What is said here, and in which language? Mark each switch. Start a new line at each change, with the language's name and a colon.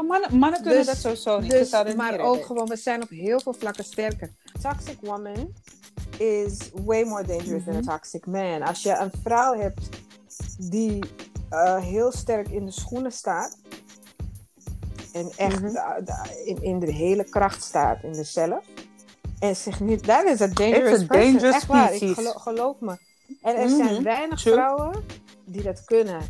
Dutch: Mannen kunnen dat sowieso niet. Dus, maar ook gewoon, we zijn op heel veel vlakken sterker.
English: Toxic woman is way more dangerous than a toxic man.
Dutch: Als je een vrouw hebt die heel sterk in de schoenen staat. En echt in de hele kracht staat in de zelf. En zich niet,
English: that is a dangerous person. Dangerous
Dutch: echt waar, geloof me. En er zijn weinig vrouwen die dat kunnen.